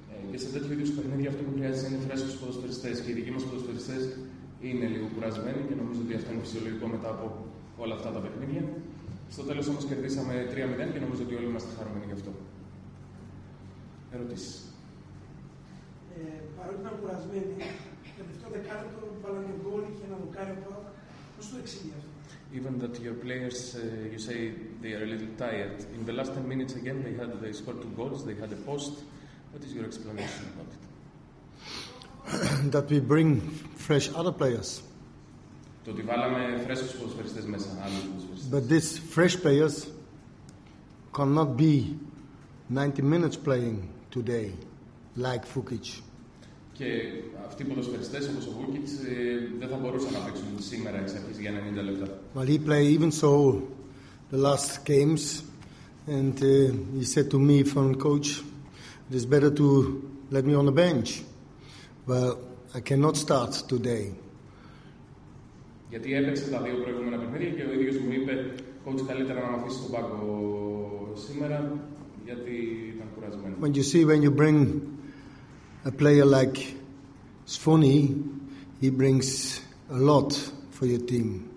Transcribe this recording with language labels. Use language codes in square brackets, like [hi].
[el] Και σε τέτοιου είδους παιχνίδια αυτό που χρειάζεται είναι φρέσκους ποδοσφαιριστές. Και οι δικοί μας ποδοσφαιριστές είναι λίγο κουρασμένοι και νομίζω ότι αυτό είναι φυσιολογικό μετά από όλα αυτά τα παιχνίδια. Στο τέλος όμως κερδίσαμε 3-0 και νομίζω ότι όλοι είμαστε χαρούμενοι γι' αυτό. Ερωτήσεις. Παρότι ήταν κουρασμένοι, το δεκάλεπτο βάλαμε γκολ και ένα δοκάρι από. [en] Even that your players, you say they are a little tired. In the last 10 minutes again, they scored 2 goals, they had a post. What is your explanation about it? That we bring fresh other players. [el] Το ότι βάλαμε φρέσκους ποδοσφαιριστές μέσα. [en] But these fresh players cannot be 90 minutes playing today, like Fukic. [el] Και αυτοί οι ποδοσφαιριστές όπως ο Βούκιτς δεν θα μπορούσαν να παίξουν σήμερα εξ αρχής για 90 λεπτά. [en] Well, he played even so the last games and he said to me from coach, it is better to let me on the bench. Well, I cannot start today. [el] Γιατί έπαιξε τα δύο προηγούμενα παιχνίδια και ο ίδιος μου είπε, coach, καλύτερα να με αφήσει τον πάγκο σήμερα γιατί ήταν κουρασμένο. [en] When you see, when you bring a player like Sfoni, he brings a lot for your team.